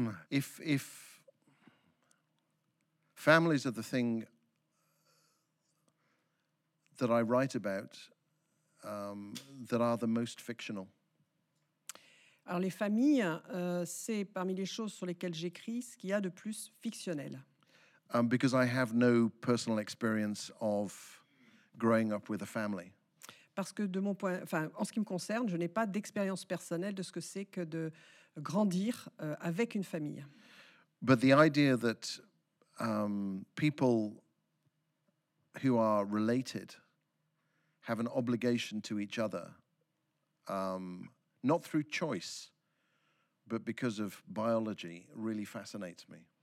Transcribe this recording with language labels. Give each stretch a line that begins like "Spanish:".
English: If families are the thing that I write about, that are the most fictional.
French: Alors les familles, c'est parmi les choses sur lesquelles j'écris ce qu'il y a de plus fictionnel.
English: Because I have no personal experience of growing up with a family.
French: Parce que de mon point, enfin en ce qui me concerne, je n'ai pas d'expérience personnelle de ce que c'est que de grandir avec une famille.
English: But the idea that people who are related have an obligation to each other, not through choice, but because of biology, really fascinates me.